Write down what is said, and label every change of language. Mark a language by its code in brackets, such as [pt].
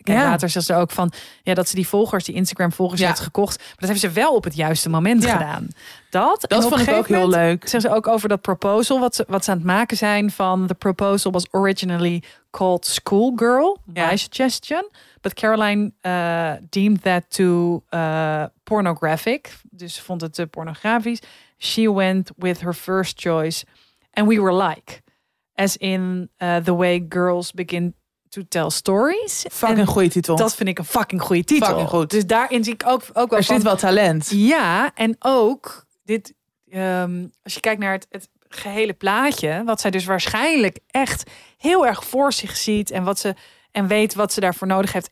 [nl] Kijk, later zegt ze ook van, ja, dat ze die volgers, die Instagram volgers heeft gekocht. Maar dat heeft ze wel op het juiste moment gedaan. Dat vond ik ook heel leuk. Zeggen ze ook over dat proposal, wat ze aan het maken zijn van, [en] the proposal was originally called Schoolgirl, my suggestion. But Caroline deemed that too pornographic. [nl] Dus vond het te pornografisch. [en] She went with her first choice. And we were like, as in the way girls begin to tell stories. [nl] Fucking en goede titel. Dat vind ik een fucking goede titel. Fucking goed. Dus daarin zie ik ook wel er zit van, wel talent. Ja, en ook dit, als je kijkt naar het gehele plaatje, wat zij dus waarschijnlijk echt heel erg voor zich ziet en wat ze, en weet wat ze daarvoor nodig heeft.